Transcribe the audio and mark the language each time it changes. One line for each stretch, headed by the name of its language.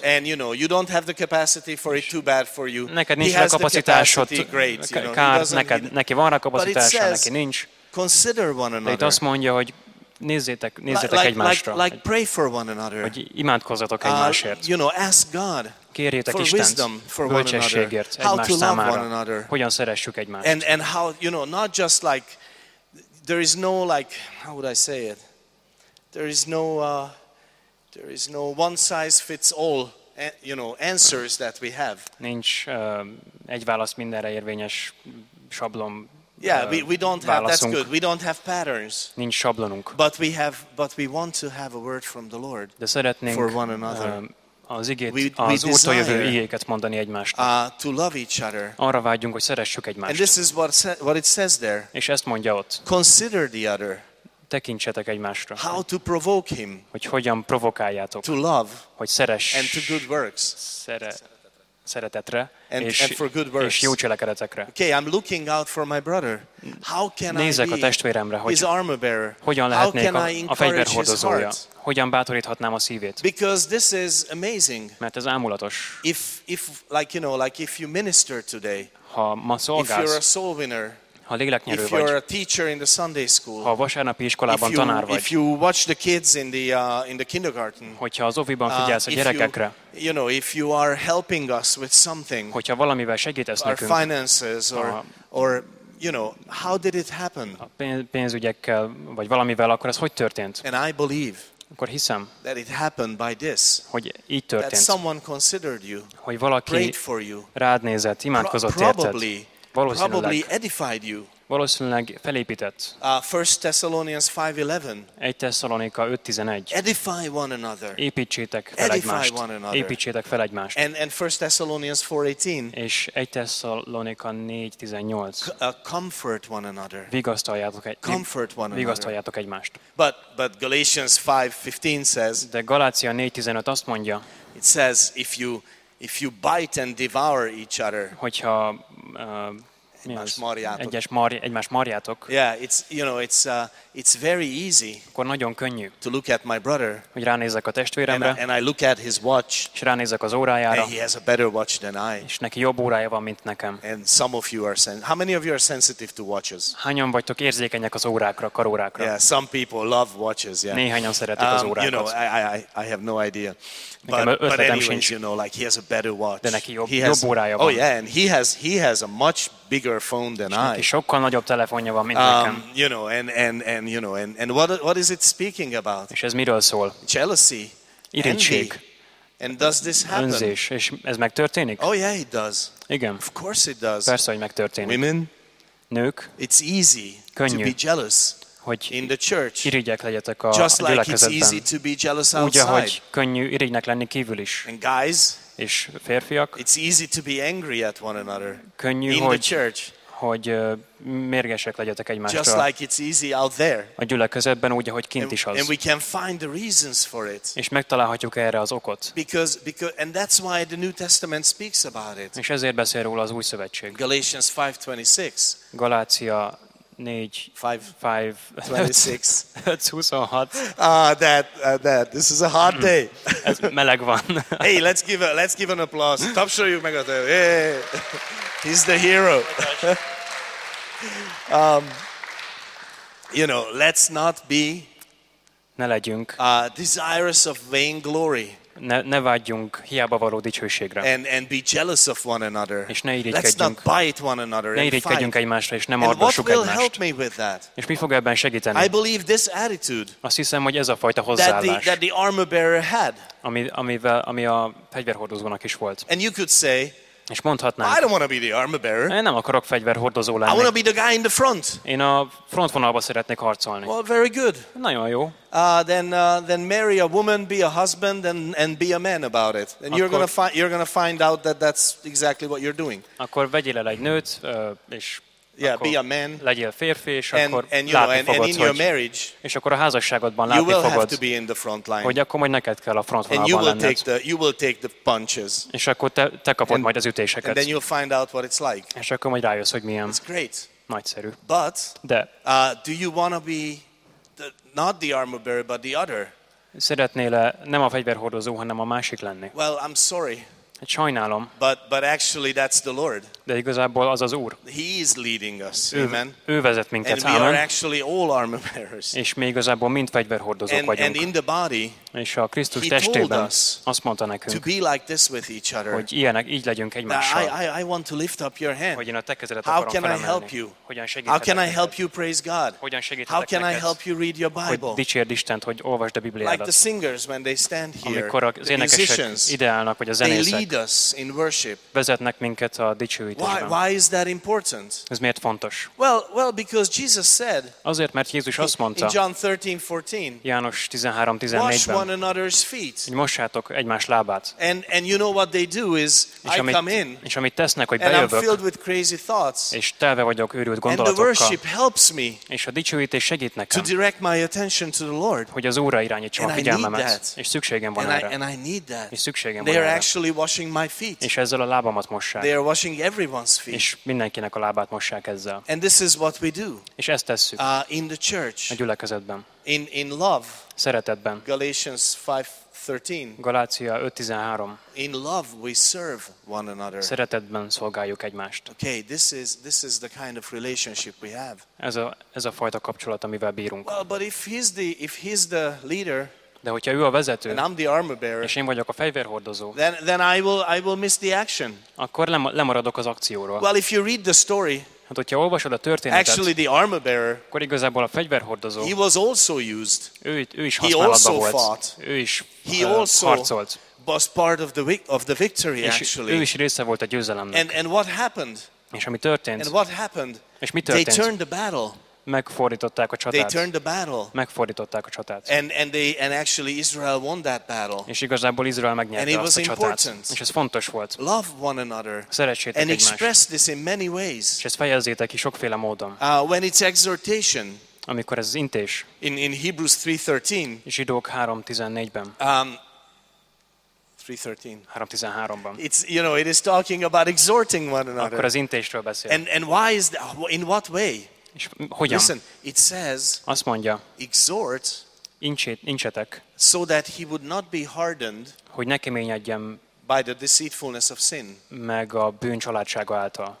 English: And you know, you don't have the capacity for it, too bad for you.
Hungarian: Neked nincs rá kapacitásod.
English: Great, you know.
Hungarian: Kár, neki van rá kapacitása, neki nincs.
English: Consider one another.
Hungarian: De itt azt mondja, hogy nézzétek egymásra.
English: Like pray for one another.
Hungarian: Hogy imádkozzatok egymásért.
English: You know, ask God.
Hungarian: Kérjétek
English: for
Hungarian: Istent,
English: wisdom for
Hungarian: bölcsességért
English: one another.
Hungarian: Egymás számára.
English: One another.
Hungarian: Hogyan szeressük egymást.
English: And how, you know, not just like there is no like how would I say it? There is no one size fits all, you know, answers that we have.
Hungarian: Nincs egy válasz mindenre érvényes sablon.
English: Yeah, we don't have, that's good. We don't have patterns.
Hungarian: Nincs sablonunk.
English: But we want to have a word from the Lord.
Hungarian: De szeretnénk
English: for one another.
Hungarian: az igét, az Úrtól jövő igéket mondani egymásnak.
English: To love each other.
Hungarian: Arra vágyunk, hogy szeressük egymást.
English: And this is what it says there.
Hungarian: És ezt mondja ott.
English: Consider the other.
Hungarian: Tekintsetek egymásra.
English: How to provoke him.
Hungarian: Hogy hogyan provokáljátok.
English: To love.
Hungarian: Hogy szeress.
English: And to good works.
Hungarian: Szeretetre.
English: And for good works.
Hungarian: És jó cselekedetekre.
English: Okay, I'm looking out for my brother. How can
Hungarian: nézek
English: I
Hungarian: a testvéremre, hogy
English: his armor bearer.
Hungarian: Hogyan lehetnék a fegyverhordozója? Hogyan bátoríthatnám a szívét?
English: Because this is amazing.
Hungarian: Mert ez ámulatos.
English: If like you know, like if you minister today.
Hungarian: Ha ma szolgálsz.
English: If you're a soul winner.
Hungarian: Ha léleknyerő vagy.
English: If you're a teacher in the Sunday school.
Hungarian: Ha vasárnapi iskolában tanár vagy.
English: If you watch the kids in the kindergarten.
Hungarian: Hogyha az óviban figyelsz a gyerekekre.
English: You know, if you are helping us with something.
Hungarian: Hogyha valamivel segítesz nekünk.
English: Our finances or you know, how did it happen?
Hungarian: A pénzügyekkel vagy valamivel, akkor ez hogy történt?
English: And I believe.
Hungarian: Akkor hiszem,
English: that it happened by this.
Hungarian: Hogy így történt.
English: That someone considered you.
Hungarian: Hogy valaki rád nézett, imádkozott érted.
English: Probably edified you.
Hungarian: Valószínűleg felépített.
English: 1 Thessalonians 5:11.
Hungarian: 1 Tesszalonika 5:11.
English: Edify one another.
Hungarian: Építsétek fel egymást. Építsétek fel egymást.
English: And 1 Thessalonians 4:18.
Hungarian: És 1 Tesszalonika 4:18.
English: Comfort one another.
Hungarian: Vigasztaljátok egymást.
English: Comfort one another.
Hungarian: Vigasztaljátok egymást.
English: But Galatians 5:15 says.
Hungarian: De Galácia 4:15 azt mondja.
English: It says if you bite and devour each other.
Hungarian: Hogyha egymás marjátok.
English: Yeah, it's you know, it's very easy.
Hungarian: Akkor nagyon könnyű.
English: To look at my brother.
Hungarian: Hogy ránézek a testvéremre.
English: And I look at his watch.
Hungarian: És ránézek az órájára.
English: And he has a better watch than I.
Hungarian: És neki jobb órája van, mint nekem.
English: And some of you are how many of you are sensitive to watches?
Hungarian: Hányan vagytok érzékenyek az órákra, karórákra?
English: Yeah, some people love watches, yeah.
Hungarian: Néhányan szeretik az órákat.
English: You know, I have no idea. But anyways, you know, like he has a better watch.
Hungarian: De neki jobb órája van.
English: Oh yeah, and he has a much bigger phone than I.
Hungarian: És sokkal nagyobb telefonja van, mint nekem.
English: You know, and you know, and what is it speaking about?
Hungarian: És ez miről szól?
English: Jealousy.
Hungarian: Irigység.
English: And does this happen?
Hungarian: Önzés. És ez megtörténik?
English: Oh yeah, it does.
Hungarian: Igen.
English: Of course it does.
Hungarian: Persze, hogy megtörténik.
English: Women.
Hungarian: Nők.
English: It's easy.
Hungarian: Könnyű.
English: To be jealous.
Hungarian: Hogy
English: in the church,
Hungarian: irigyek legyetek a
English: just
Hungarian: a gyülekezetben.
English: Like it's easy to be jealous outside.
Hungarian: Úgy, ahogy könnyű irigynek lenni kívül is.
English: And guys,
Hungarian: és férfiak,
English: it's easy to be angry at one another.
Hungarian: Könnyű,
English: in
Hungarian: hogy,
English: the church,
Hungarian: hogy mérgesek legyetek egymásra.
English: Just like it's easy out there.
Hungarian: A gyülekezetben úgy, ahogy kint
English: and,
Hungarian: is az.
English: And we can find the reasons for it.
Hungarian: És megtalálhatjuk erre az okot.
English: Because and that's why the New Testament speaks about it.
Hungarian: És ezért beszél róla az Új Szövetség.
English: Galatians 5:26.
Hungarian: Galácia 5:26.
English: That this is a hot day.
Hungarian: Ez meleg van.
English: Hey, let's give an applause.
Hungarian: Tapsoljuk meg a tőle.
English: Hey. He's the hero. You know, let's not be.
Hungarian: Ne legyünk.
English: Desirous of vain glory.
Hungarian: Ne vágyjunk hiába való dicsőségre.
English: And be jealous of one another.
Hungarian: És ne irigykedjünk.
English: Let's not bite one another.
Hungarian: Ne irigykedjünk egymásra, és ne mordassuk egymást.
English: And what will help me with that?
Hungarian: És mi fog ebben segíteni?
English: I believe this attitude.
Hungarian: Azt hiszem, hogy ez a fajta hozzáállás.
English: That the armor bearer had.
Hungarian: Ami a fegyverhordozónak is volt.
English: And you could say.
Hungarian: És mondhatnám.
English: I don't want to be the armor bearer.
Hungarian: Én nem akarok fegyverhordozó lenni.
English: I want to be the guy in the front.
Hungarian: Én a frontvonalba szeretnék harcolni.
English: Well, very good.
Hungarian: Nagyon jó.
English: Then marry a woman, be a husband, and be a man about it. And you're gonna find out that's exactly what you're doing.
Hungarian: Akkor vegyél el egy nőt, és
English: yeah, be a man.
Hungarian: Legyél férfi, és akkor
English: and you know,
Hungarian: fogod,
English: and in your marriage,
Hungarian: és akkor a házasságodban látni fogod,
English: you will have to be in the front line.
Hungarian: Hogy akkor majd neked kell a frontvonalban lenned.
English: And you will take the punches.
Hungarian: És akkor te kapod majd az ütéseket.
English: And then you'll find out what it's like.
Hungarian: És akkor majd rájössz, hogy milyen.
English: It's great.
Hungarian: Nagyszerű.
English: But
Hungarian: de,
English: do you want to be not the armor bearer but the other?
Hungarian: Szeretnél-e nem a fegyverhordozó, hanem a másik lenni?
English: Well, I'm sorry.
Hungarian: Sajnálom.
English: But actually that's the Lord.
Hungarian: De igazából az az Úr.
English: He is leading us. Amen.
Hungarian: Ő vezet minket.
English: And we are actually all armor bearers.
Hungarian: És mi igazából mind fegyverhordozók
English: and,
Hungarian: vagyunk.
English: And in the body,
Hungarian: és a Krisztus testében azt mondta nekünk,
English: to be like this with each other.
Hungarian: Hogy ilyenek, így legyünk egymással.
English: I want to lift up your hand.
Hungarian: Hogy én a te kezedet
English: how
Hungarian: akarom
English: can I help you?
Hungarian: Hogyan segíthetek?
English: How can I help you praise God?
Hungarian: Hogyan segíthetek?
English: How can
Hungarian: neked?
English: I help you read your Bible?
Hungarian: Hogy dicsérd Istent, hogy olvasd a Bibliádat.
English: Like the singers when they stand here.
Hungarian: Amikor az énekesek ide állnak, vagy a zenészek.
English: They lead us in worship.
Hungarian: Vezetnek minket a dicsőségben. megtérítésben.
English: Why is that important?
Hungarian: Ez miért fontos?
English: Well, because Jesus said.
Hungarian: Azért, mert Jézus azt mondta.
English: In John 13:14.
Hungarian: János 13:14-ben.
English: Wash one another's feet.
Hungarian: Mossátok egymás lábát.
English: And you know what they do is I come in.
Hungarian: És amit tesznek, hogy bejövök.
English: And I'm filled with crazy thoughts.
Hungarian: És telve vagyok őrült gondolatokkal.
English: And the worship helps me.
Hungarian: És a dicsőítés segít nekem.
English: To direct my attention to the Lord.
Hungarian: Hogy az Úrra irányítsam a figyelmemet. És szükségem van erre.
English: And I need that.
Hungarian: És szükségem van.
English: They are actually washing my feet.
Hungarian: És ezzel a lábamat mossák.
English: They are washing everyone's feet.
Hungarian: És mindenkinek a lábát mossák ezzel.
English: And this is what we do.
Hungarian: És ezt tesszük.
English: In the church.
Hungarian: A gyülekezetben.
English: In love.
Hungarian: Szeretetben.
English: Galatians 5:13.
Hungarian: Galácia 5:13.
English: In love we serve one another.
Hungarian: Szeretetben szolgáljuk egymást.
English: Okay, this is the kind of relationship we have.
Hungarian: Ez a fajta kapcsolat, amivel bírunk.
English: Well, but if he's the leader.
Hungarian: De hogyha ő a vezető,
English: and I'm the armor bearer,
Hungarian: és én vagyok a fejvérhordozó,
English: then I will miss the action.
Hungarian: Akkor lemaradok az akcióról.
English: Well, if you read the story,
Hungarian: hát hogyha olvasod a történetet,
English: actually the armor bearer,
Hungarian: akkor igazából a fejvérhordozó,
English: he was also used,
Hungarian: ő is használatba volt,
English: fought,
Hungarian: ő is
English: he also
Hungarian: harcolt,
English: was part of the victory,
Hungarian: és
English: actually,
Hungarian: ő is része volt a győzelemnek.
English: And what happened?
Hungarian: És ami történt?
English: And what happened?
Hungarian: És mi történt?
English: They turned the battle.
Hungarian: Megfordították a csatát.
English: They turned the battle.
Hungarian: Megfordították a csatát.
English: And actually Israel won that battle.
Hungarian: És igazából Izrael megnyerte azt a csatát.
English: Important.
Hungarian: És ez fontos volt.
English: Love one another.
Hungarian: Szeretsétek egymást.
English: And express this in many ways.
Hungarian: És ezt fejezzétek ki sokféle módon.
English: When it's exhortation.
Hungarian: Amikor ez az intés.
English: In Hebrews 3:13.
Hungarian: Zsidók 3:14-ben.
English: 3:13. It's, you know, it is talking about exhorting one another.
Hungarian: Akkor az intésről beszél.
English: And why is that? In what way?
Hungarian: És hogyan?
English: Listen, it says,
Hungarian: azt mondja,
English: exhort,
Hungarian: incsetek,
English: so that he would not be hardened,
Hungarian: hogy ne keményedjem,
English: by the deceitfulness of sin,
Hungarian: meg a bűn csalátsága által.